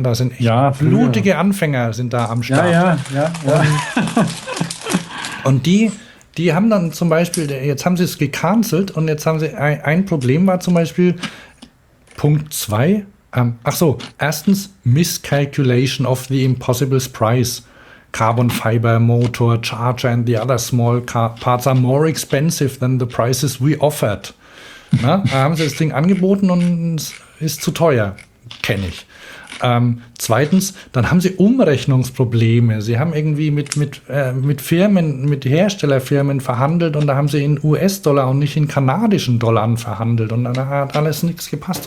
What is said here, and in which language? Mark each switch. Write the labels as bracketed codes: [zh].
[de] Da sind echt blutige Anfänger sind da am Start. Ja. Und die haben dann zum Beispiel, jetzt haben sie es gecancelt und jetzt haben sie, ein Problem war zum Beispiel, Punkt 2, erstens, [en] Miscalculation of the Impossible's Price. Carbon Fiber Motor, Charger and the other small parts are more expensive than the prices we offered. [de] Na, da haben sie das Ding angeboten und es ist zu teuer, kenne ich. Zweitens, dann haben sie Umrechnungsprobleme. Sie haben irgendwie mit Firmen, mit Herstellerfirmen verhandelt und da haben sie in US-Dollar und nicht in kanadischen Dollar verhandelt und dann hat alles nichts gepasst.